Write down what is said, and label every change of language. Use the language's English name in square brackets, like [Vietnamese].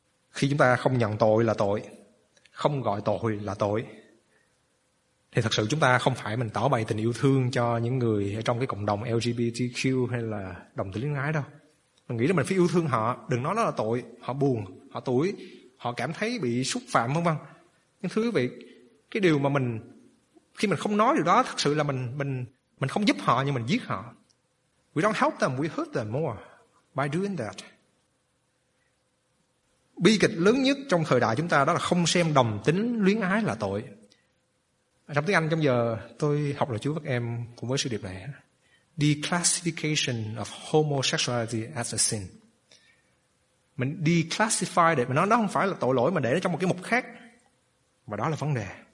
[Vietnamese] Khi chúng ta không nhận tội là tội, không gọi tội là tội, thì thật sự chúng ta không phải mình tỏ bày tình yêu thương cho những người ở trong cái cộng đồng LGBTQ hay là đồng tính luyến ái đâu. Mình nghĩ là mình phải yêu thương họ, đừng nói nó là tội, họ buồn, họ tủi, họ cảm thấy bị xúc phạm vân vân. Nhưng thưa quý vị, cái điều mà mình khi mình không nói điều đó, thật sự là mình không giúp họ nhưng mình giết họ. [English] We don't help them, we hurt them more by doing that. [Vietnamese] Bi kịch lớn nhất trong thời đại chúng ta đó là không xem đồng tính luyến ái là tội. Trong tiếng Anh trong giờ tôi học lời Chúa các em cùng với sự điệp này, [English] declassification of homosexuality as a sin. [Vietnamese] Mình declassify để mà nói nó không phải là tội lỗi mà để nó trong một cái mục khác. Và đó là vấn đề.